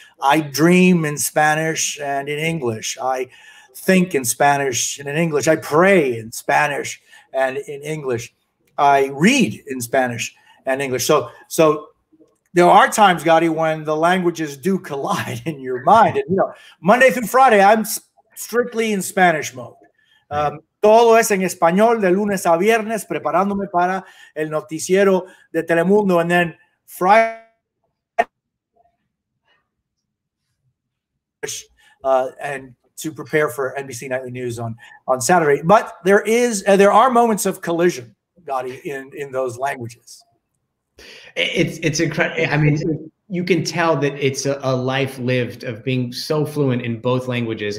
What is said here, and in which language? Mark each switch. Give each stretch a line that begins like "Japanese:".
English: I dream in Spanish and in English. I think in Spanish and in English. I pray in Spanish and in English. I read in Spanish and English. So there are times, Gadi, when the languages do collide in your mind. And, you know, Monday through Friday, I'm strictly in Spanish mode.
Spanish: Todo es en español de lunes a viernes, preparándome para el noticiero de Telemundo.
English: And then Friday, and to prepare for NBC Nightly News on Saturday. But there are moments of collision, Gadi, in those languages. It's incredible. I mean, you can tell that it's a life lived of being so fluent in both languages.